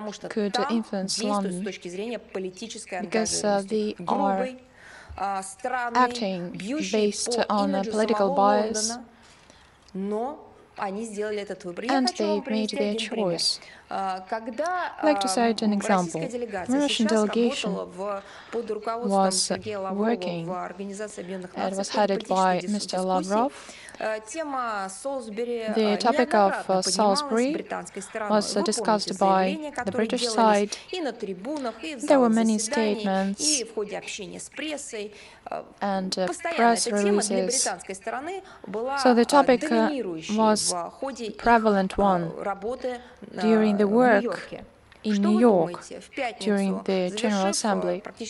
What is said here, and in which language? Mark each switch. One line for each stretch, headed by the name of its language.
English: could influence London, because they are acting based on a political bias.
Russian: Но они сделали этот выбор.
English: And they made their choice.
Russian: Когда российская делегация
English: delegation
Russian: под руководством в Организации Объединенных Наций,
English: was headed by Mr. Lavrov.
Russian: Тема Солсбери,
English: the topic of Salisbury was discussed by the British side. There were many statements
Russian: и в ходе общения с прессой,
English: and press releases. So the topic was prevalent one during the work in New York during the General Assembly.